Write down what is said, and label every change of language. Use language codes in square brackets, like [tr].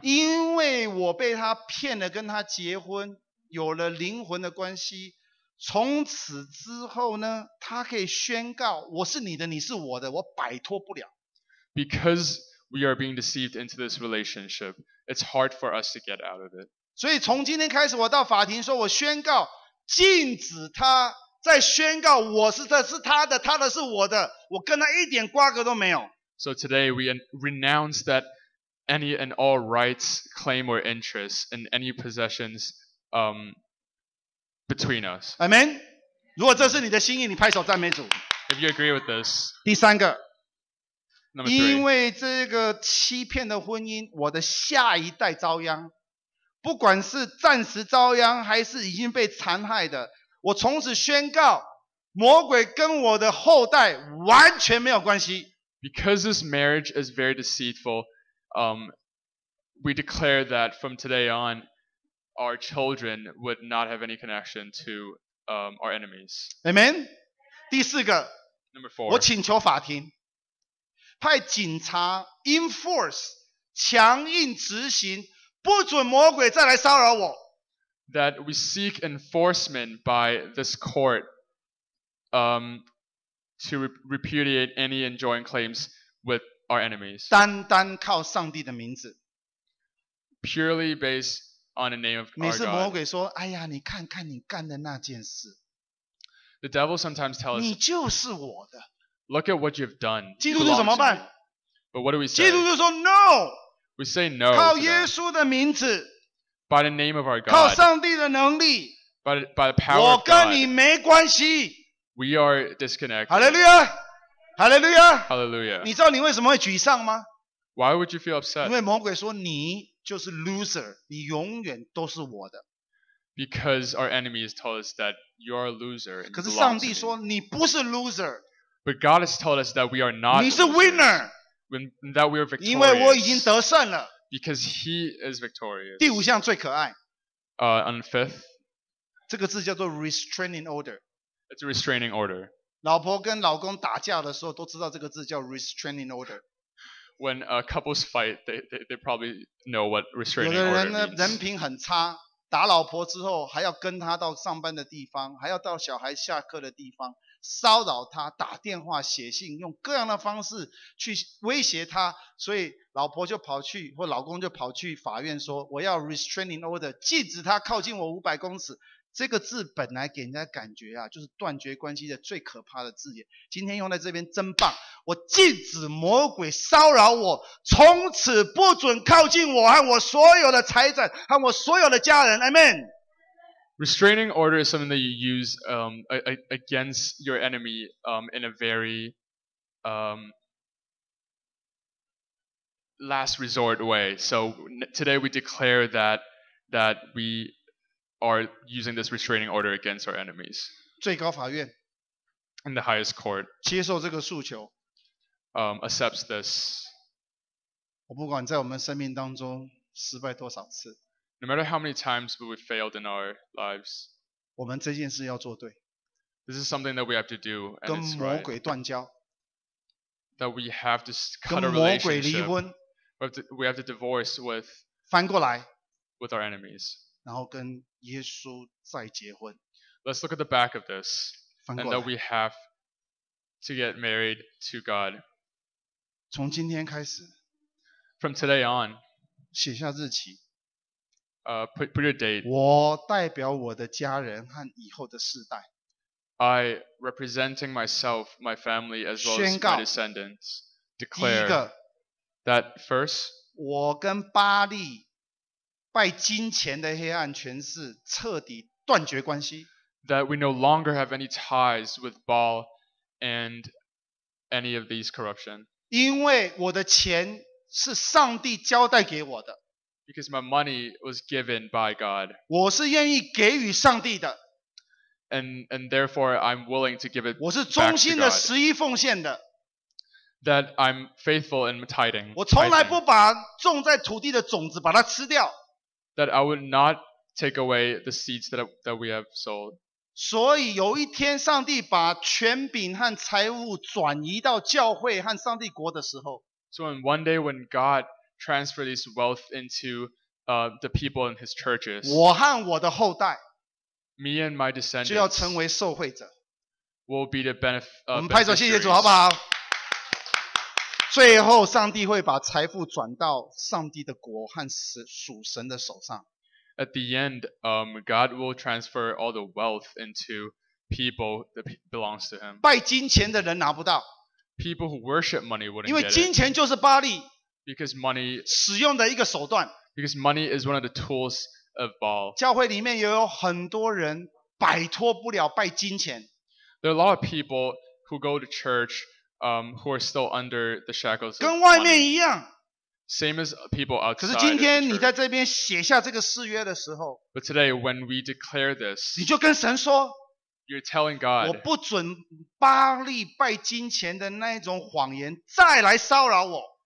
[zh] 因为我被他骗了，跟他结婚，有了灵魂的关系。从此之后呢，他可以宣告我是你的，你是我的，我摆脱不了。 [en] Because we are being deceived into this relationship, it's hard for us to get out of it. [zh] 所以从今天开始，我到法庭说，我宣告禁止他在宣告我是的是他的他的是我的我跟他一点瓜葛都没有。 [en] So today we renounce that any and all rights, claim or interests in any possessions between us. Amen. [zh] 如果这是你的心意你拍手赞美主。 [en] If you agree with this. [zh] 第三个。 [en] Number 3. [zh] 因为这个欺骗的婚姻我的下一代遭殃。不管是暂时遭殃还是已经被残害的我从此宣告魔鬼跟我的后代完全没有关系。 [en] Because this marriage is very deceitful, we declare that from today on, our children would not have any connection to our enemies. [zh] Amen. 第四个 [en] Number 4. [zh] 我请求法庭派警察 enforce 强硬执行不准魔鬼再来骚扰我。 [en] That we seek enforcement by this court to repudiate any enjoined claims with our enemies. [zh] 单单靠上帝的名字。 [en] Purely based on the name of our God. [zh] 每次魔鬼说：“哎呀，你看看你干的那件事。” [en] The devil sometimes tells us, [zh] 你就是我的。 [en] Look at what you've done. [zh] 基督徒怎么办？ [en] But what do we say? [zh] 基督徒说 No. [en] We say no. [zh] 靠耶稣的名字。 [en] By the name of our God. [zh] 靠上帝的能力。 [en] By the power of God. [zh] 我跟你没关系。 [en] We are disconnected. Hallelujah. Hallelujah. Hallelujah. [zh] 你知道你为什么会沮丧吗？ [en] Why would you feel upset? [zh] 因为魔鬼说你就是 loser， 你永远都是我的。 [en] Because our enemy has told us that you are a loser. [zh] 可是上帝说你不是 loser。 [en] But God has told us that we are not. [zh] 你是 winner。 [en] That we are victorious. [zh] 因为我已经得胜了。 [en] Because he is victorious. [zh] 第五项最可爱。 [en] On the fifth. [zh] 这个字叫做 restraining order. [en] It's a restraining order. [zh] 老婆跟老公打架的时候都知道这个字叫 restraining order. [en] When couples fight, they probably know what restraining order means. [zh] 有的人品很差，打老婆之后还要跟她到上班的地方，还要到小孩下课的地方。骚扰他，打电话、写信，用各样的方式去威胁他，所以老婆就跑去，或老公就跑去法院说：“我要 restraining order， 禁止他靠近我500公尺。” 这个字本来给人家感觉啊，就是断绝关系的最可怕的字眼。今天用在这边真棒，我禁止魔鬼骚扰我，从此不准靠近我和我所有的财产和我所有的家人。 [en] Amen。 Restraining order is something that you use against your enemy in a very last resort way. So today we declare that we are using this restraining order against our enemies. [zh] 最高法院 [en] In the highest court. [zh] 接受这个诉求 [en] Accepts this. [zh] 我不管在我们生命当中失败多少次。 [en] No matter how many times we've failed in our lives, [zh] 我们这件事要做对。 [en] This is something that we have to do, and it's right. [zh] 跟魔鬼断交。 [en] That we have to cut a relationship. [zh] 跟魔鬼离婚。 [en] We have to divorce with. [zh] 翻过来。 [en] With our enemies. [zh] 然后跟耶稣再结婚。 [en] Let's look at the back of this, and that we have to get married to God. [zh] 从今天开始。 [en] From today on. [zh] 写下日期。 [en] Put your date. [zh] 我代表我的家人和以后的世代。 [en] I representing myself, my family, as well as my descendants, declare that first, [zh] 我跟巴利拜金钱的黑暗权势彻底断绝关系。 [en] That we no longer have any ties with Baal and any of these corruption. [zh] 因为我的钱是上帝交代给我的。 [en] Because my money was given by God. [zh] 我是愿意给予上帝的。 [en] And therefore, I'm willing to give it back to God. [zh] 我是忠心的十一奉献的。 [en] That I'm faithful in tithing. [zh] 我从来不把种在土地的种子把它吃掉。 [en] That I would not take away the seeds that we have sold. [zh] 所以有一天上帝把权柄和财物转移到教会和上帝国的时候。 [en] So in one day when God transfer this wealth into the people in his churches. [zh] 我和我的后代 [en] Me and my descendants [zh] 就要成为受惠者 [en] will be the beneficiaries. [zh] 我们拍手谢谢主好不好？最后上帝会把财富转到上帝的国和属神的手上。 [en] At the end, God will transfer all the wealth into people that belongs to him. [zh] 拜金钱的人拿不到。 [en] People who worship money wouldn't get it. [zh] 因为金钱就是巴力。 [en] Because money. [zh] 使用的一个手段。 [en] Because money is one of the tools of Baal. [zh] 教会里面也有很多人摆脱不了拜金钱。 [en] There are a lot of people who go to church, who are still under the shackles. [zh] 跟外面一样。 [en] Same as people outside. [zh] 可是今天你在这边写下这个誓约的时候， [en] But today when we declare this, [zh] 你就跟神说， [en] You're telling God, [zh] 我不准巴力拜金钱的那种谎言再来骚扰我。